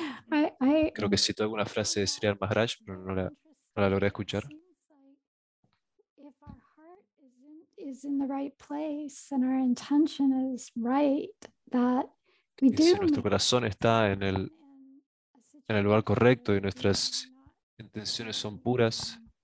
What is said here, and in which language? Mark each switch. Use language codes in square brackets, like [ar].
[es] I creo que cito alguna frase de Sridhar Maharaj, pero no la logré escuchar. [en] If our heart is in the right place and our intention is right, that we do. [es] Si nuestro corazón está en el lugar correcto y nuestras intenciones son puras.